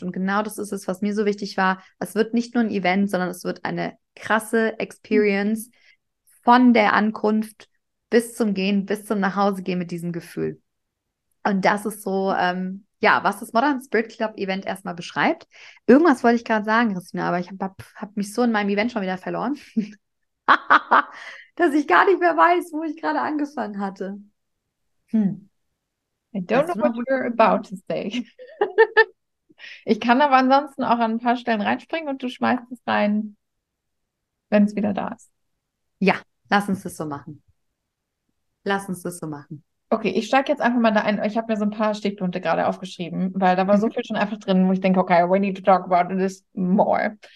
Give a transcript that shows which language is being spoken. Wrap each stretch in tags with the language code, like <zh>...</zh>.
<de>Und genau das ist es, was mir so wichtig war. Es wird nicht nur ein Event, sondern es wird eine krasse Experience von der Ankunft bis zum Gehen, bis zum Nachhausegehen mit diesem Gefühl. Und das ist so, was das Modern Spirit Club Event erstmal beschreibt. Irgendwas wollte ich gerade sagen, Christina, aber ich hab mich so in meinem Event schon wieder verloren, dass ich gar nicht mehr weiß, wo ich gerade angefangen hatte.</de> <en>I don't know what you're about to say.</en> <de>Ich kann aber ansonsten auch an ein paar Stellen reinspringen und du schmeißt es rein, wenn es wieder da ist. Ja, lass uns das so machen. Lass uns das so machen. Okay, ich steige jetzt einfach mal da ein. Ich habe mir so ein paar Stichpunkte gerade aufgeschrieben, weil da war so viel schon einfach drin, wo ich denke, okay,</de> <en>we need to talk about this more.</en>